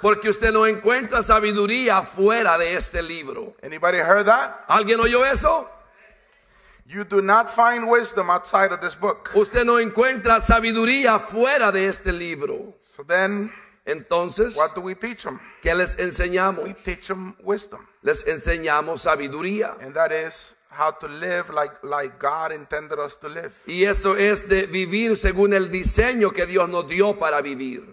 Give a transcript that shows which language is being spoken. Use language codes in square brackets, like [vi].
[es] Porque usted no encuentra sabiduría fuera de este libro. [en] Anybody heard that? [es] ¿Alguien oyó eso? [en] You do not find wisdom outside of this book. [es] Usted no encuentra sabiduría fuera de este libro. [en] So then, [es] entonces, [en] what do we teach them? [es] ¿Qué les enseñamos? [en] We teach them wisdom. [es] Les enseñamos sabiduría. [en] And that is how to live like God intended us to live. [es] Y eso es de vivir según el diseño que Dios nos dio para vivir.